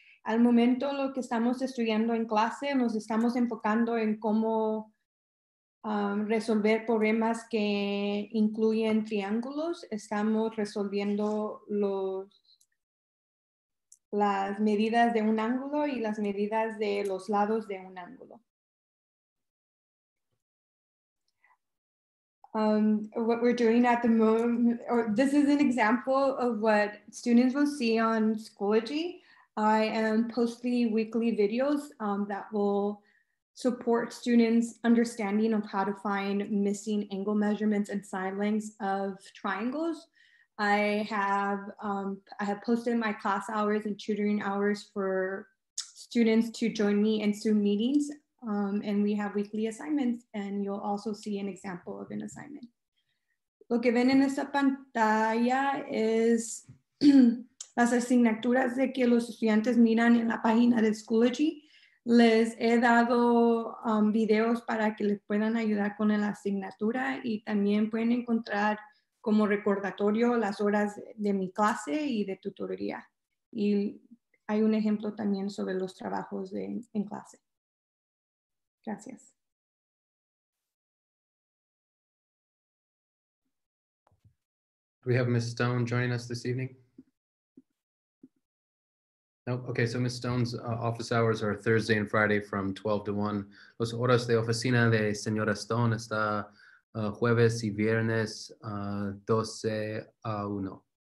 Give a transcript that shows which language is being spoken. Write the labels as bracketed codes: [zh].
[es] Al momento, lo que estamos estudiando en clase, nos estamos enfocando en cómo resolver problemas que incluyen triángulos. Estamos resolviendo las medidas de un ángulo y las medidas de los lados de un ángulo. [en] What we're doing at the moment, or this is an example of what students will see on Schoology. I am posting weekly videos that will support students' understanding of how to find missing angle measurements and side lengths of triangles. I have posted my class hours and tutoring hours for students to join me in Zoom meetings. And we have weekly assignments, and you'll also see an example of an assignment. [es] Lo que ven en esta pantalla es las asignaturas de que los estudiantes miran en la página de Schoology. Les he dado videos para que les puedan ayudar con la asignatura, y también pueden encontrar como recordatorio las horas de mi clase y de tutoría. Y hay un ejemplo también sobre los trabajos en clase. Gracias. [en] Do we have Ms. Stone joining us this evening? Nope. Okay, so Ms. Stone's office hours are Thursday and Friday from 12 to 1. [es] Los horas de oficina de señora Stone está jueves y viernes 12 a 1.